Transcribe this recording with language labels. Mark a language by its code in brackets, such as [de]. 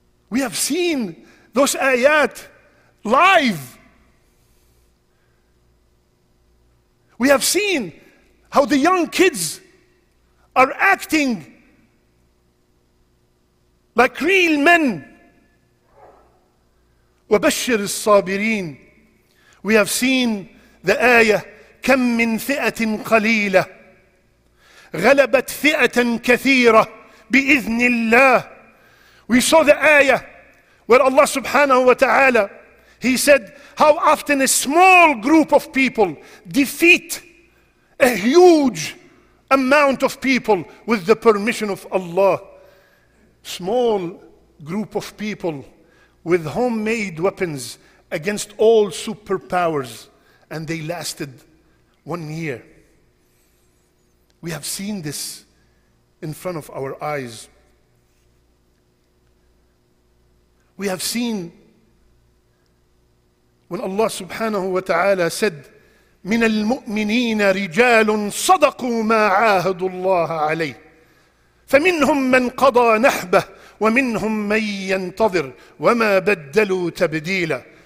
[en] We have seen those ayat live. We have seen how the young kids are acting like real men. [ar] وَبَشِّرِ الصَّابِرِينَ. [en] We have seen the ayah, [ar] كَمْ مِنْ فِئَةٍ قَلِيلَةٍ غَلَبَتْ فِئَةً كَثِيرَةٍ بِإِذْنِ اللَّهِ. [en] We saw the ayah where Allah subhanahu wa ta'ala, He said, how often a small group of people defeat a huge amount of people with the permission of Allah. Small group of people with homemade weapons against all superpowers, and they lasted 1 year. We have seen this in front of our eyes. We have seen when Allah subhanahu wa ta'ala said, [ar] من المؤمنين رجال صدقوا ما عاهدوا الله عليه فمنهم من قضى نحبه ومنهم من ينتظر وما بدلوا تبديلا.